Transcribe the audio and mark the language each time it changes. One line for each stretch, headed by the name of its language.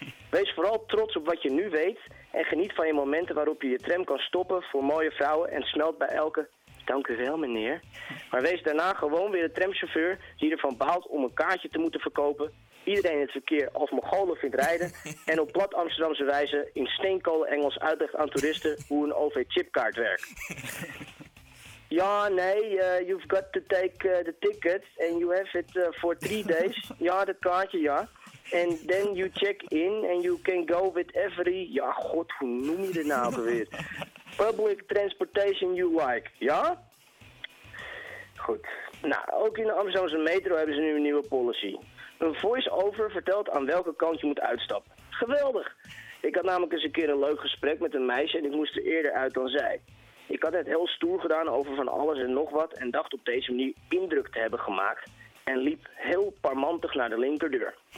Dutch: Wees vooral trots op wat je nu weet en geniet van je momenten waarop je je tram kan stoppen voor mooie vrouwen en smelt bij elke, dank u wel meneer. Maar wees daarna gewoon weer de tramchauffeur die ervan baalt om een kaartje te moeten verkopen, iedereen in het verkeer als Mongolen vindt rijden en op plat Amsterdamse wijze in steenkolen Engels uitlegt aan toeristen hoe een OV-chipkaart werkt.
English: Ja, nee, you've got to take the ticket and you have it for 3 days.
Dutch: Ja, dat kaartje, ja.
English: And then you check in and you can go with every...
Dutch: Ja, god, hoe noem je dit nou weer?
English: Public transportation you like,
Dutch: ja? Goed. Nou, ook in de Amsterdamse metro hebben ze nu een nieuwe policy. Een voice-over vertelt aan welke kant je moet uitstappen. Geweldig! Ik had namelijk eens een keer een leuk gesprek met een meisje en ik moest er eerder uit dan zij. Ik had het heel stoer gedaan over van alles en nog wat en dacht op deze manier indruk te hebben gemaakt en liep heel parmantig naar de linkerdeur.